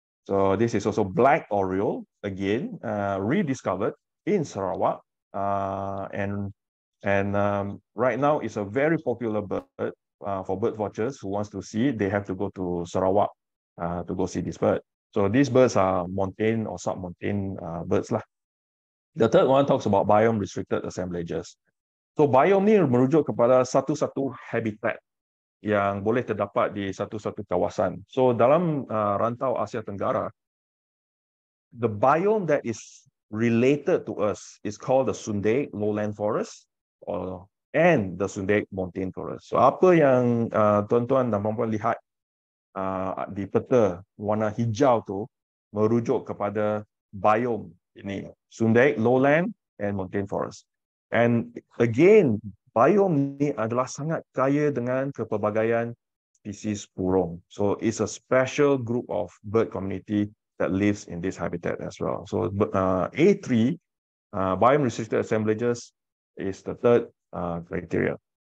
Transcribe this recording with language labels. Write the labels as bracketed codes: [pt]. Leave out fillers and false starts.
[en] So this is also black oriole, again rediscovered in Sarawak, and right now it's a very popular bird for bird watchers who wants to see it. They have to go to Sarawak to go see this bird. So these birds are montane or sub-montane birds lah. The third one talks about biome restricted assemblages. [ms] So biome ni merujuk kepada satu-satu habitat yang boleh terdapat di satu-satu kawasan. [en] So [ms] dalam rantau Asia Tenggara, [en] the biome that is related to us is called the Sundaic Lowland Forest and the Sundaic Mountain Forest. [ms] So apa yang tuan-tuan dan puan-puan lihat di peta warna hijau tu merujuk kepada biome ini, Sundaic Lowland and Mountain Forest. [en] And again, [ms] biome ni adalah sangat kaya dengan kepelbagaian spesies burung. [en] So it's a special group of bird community that lives in this habitat as well. So A3, biome restricted assemblages, is the third criteria.